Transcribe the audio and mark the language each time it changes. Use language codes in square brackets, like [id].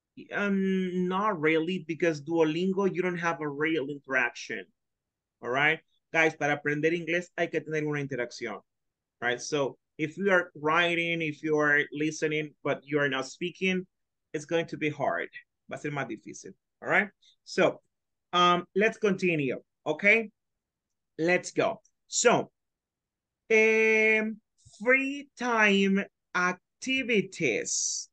[en] Not really, because Duolingo, you don't have a real interaction. All right. [es] Guys, para aprender inglés hay que tener una interacción. [en] All right. So if you are writing, if you are listening, but you are not speaking, it's going to be hard. [es] Va a ser más difícil. [en] All right, so let's continue, okay? Let's go. So, free time activities.